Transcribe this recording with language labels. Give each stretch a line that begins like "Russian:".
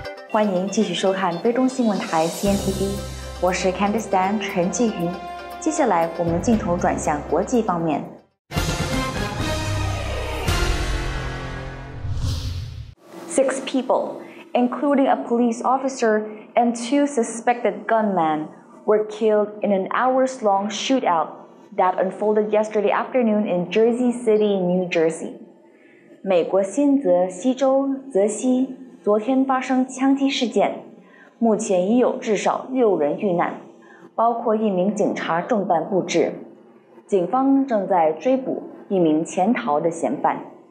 Chinese: 欢迎继续收看菲中新闻台 CNTV， 我是 Candice Dan 陈继云。接下来我们镜头转向国际方面。
English: Six people, including a police officer and two suspected gunmen, were killed in an hours-long shootout that unfolded yesterday afternoon in Jersey City, New Jersey.
Chinese: 美国新泽西州泽西昨天发生枪击事件，目前已有至少六人遇难，包括一名警察重弹不治。警方正在追捕一名潜逃的嫌犯。